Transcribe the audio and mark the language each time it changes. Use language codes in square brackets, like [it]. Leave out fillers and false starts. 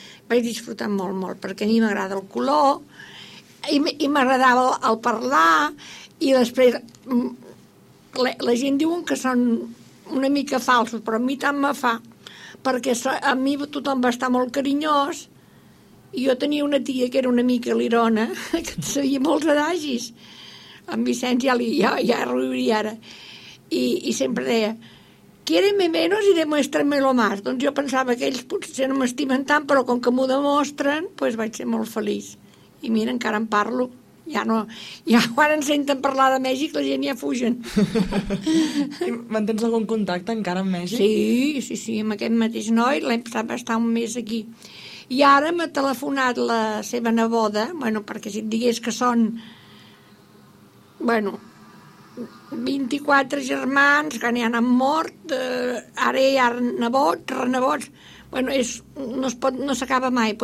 [ca] Vaig disfrutar molt, molt, perquè a mi m'agrada el color, i m'agradava el parlar, i després la gent diuen que són una mica falsos, però a mi tant me fa, perquè a mi tothom va estar molt carinyós, i jo tenia una tia que era una mica lirona, que sabia molts adagis. En Vicenç ja riuria ara. I sempre deia, [es] quiéreme menos y demuéstramelo más. [ca] Doncs jo pensava que ells potser no m'estimen tant, però com que m'ho demostren, pues vaig ser molt feliç. I mira, encara en parlo. Ja no, ja quan en senten parlar de Mèxic, la gent ja fugen. I mantens algun contacte encara amb Mèxic? Sí, amb aquest mateix noi, l'hem passat bastant un mes aquí. I ara m'ha telefonat la seva neboda, bueno, perquè si et digués que són, bueno, 24 germans que n'hi han mort, ara hi ha nebots, renebots, bueno, no s'acaba mai.